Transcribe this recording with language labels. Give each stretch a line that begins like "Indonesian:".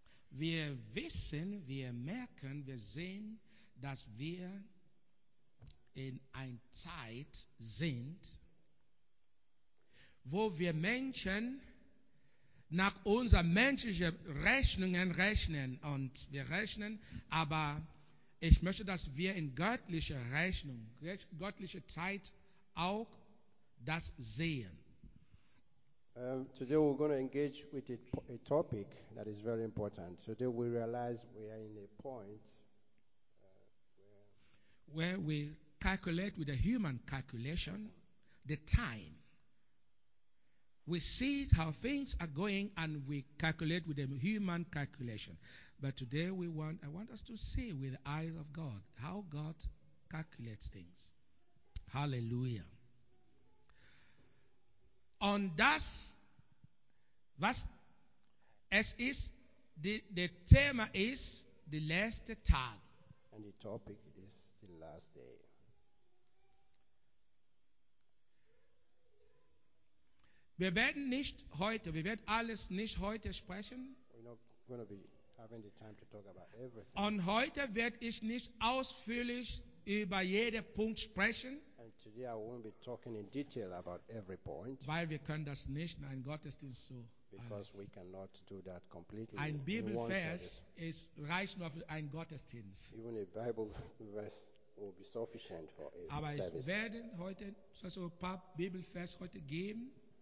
German: Wir wissen, wir merken, wir sehen, dass wir in einer Zeit sind, wo wir Menschen nach unseren menschlichen Rechnungen rechnen. Und wir rechnen, aber ich möchte, dass wir in göttlicher Rechnung, göttlicher Zeit auch das sehen.
English: Today we're going to engage with a topic that is very important. Today we realize we are in a point where we calculate with a human calculation the time. We see how things are going and we calculate with a human calculation. But today I want us to see with the eyes of God how God calculates things. Hallelujah.
German: Und das, was es ist, the Thema ist the last Tag.
English: And the topic is the last day.
German: Wir werden nicht heute, wir werden alles nicht heute sprechen.
English: We're not going to be having the time to talk about everything.
German: Und heute werde ich nicht ausführlich über jeden Punkt sprechen.
English: And today I won't be talking in detail about every point.
German: Weil wir können das nicht, nein, Gottesdienst so.
English: Because we cannot do that completely.
German: Ein Bibelvers ist reicht nur für ein Gottesdienst.
English: Even a Bible verse will be sufficient for a service.
German: Aber ich werde heute so ein paar Bibelvers heute geben.